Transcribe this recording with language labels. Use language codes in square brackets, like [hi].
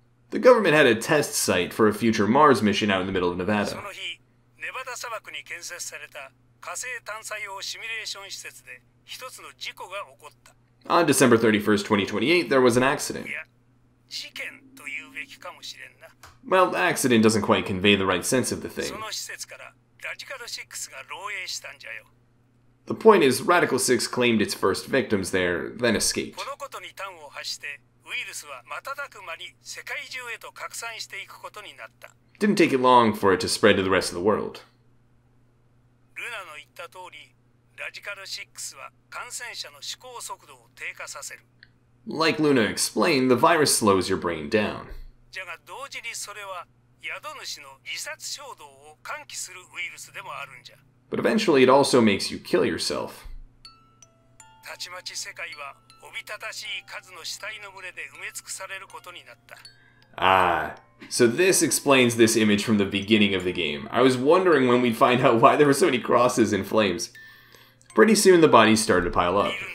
[en] The government had a test site for a future Mars mission out in the middle of Nevada. [ja] ネバダ砂漠に建設された火星探査用シミュレーション施設で一つの事故が起こった。 [en] On December 31st, 2028, there was an accident. [ja] いや、事件というべきかもしれんな。 [en] Well, accident doesn't quite convey the right sense of the thing. [ja] その施設からラジカル6が漏洩したんじゃよ。 [en] The point is, Radical 6 claimed its first victims there, then escaped. [ja] このことに端を発して、ウイルスは瞬く間に世界中へと拡散していくことになった。 [en] Didn't take it long for it to spread to the rest of the world. [ja] ルナの言った通り、ラジカル6は感染者の思考速度を低下させる。 [en] Like Luna explained, the virus slows your brain down. [ja] じゃが同時にそれは宿主の自殺衝動を喚起するウイルスでもあるんじゃ。 [en] But eventually it also makes you kill yourself. [ja] たちまち世界はおびただしい数の死体の群れで埋め尽くされることになった。 [en] Ah, so this explains this image from the beginning of the game. I was wondering when we'd find out why there were so many crosses and flames. Pretty soon the bodies started to pile up.